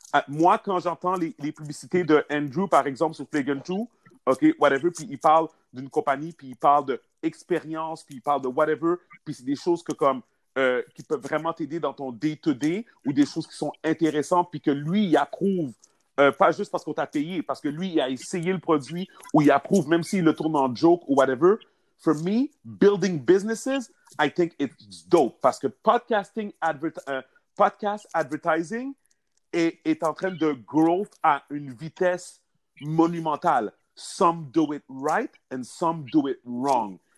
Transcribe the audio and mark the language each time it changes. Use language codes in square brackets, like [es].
[fr] Moi, quand j'entends les publicités de Andrew, par exemple, sur Flagrant 2, OK, whatever, puis il parle d'une compagnie, puis il parle d'expérience, puis il parle de whatever, puis c'est des choses que comme qui peuvent vraiment t'aider dans ton day-to-day ou des choses qui sont intéressantes, puis que lui, il approuve pas juste parce qu'on t'a payé, parce que lui, il a essayé le produit ou il approuve, même s'il le tourne en joke ou whatever. [en] For me, building businesses, I think it's dope. [fr] Parce que podcasting, podcast advertising est en train de grow à une vitesse monumentale. [en] Some do it right and some do it wrong.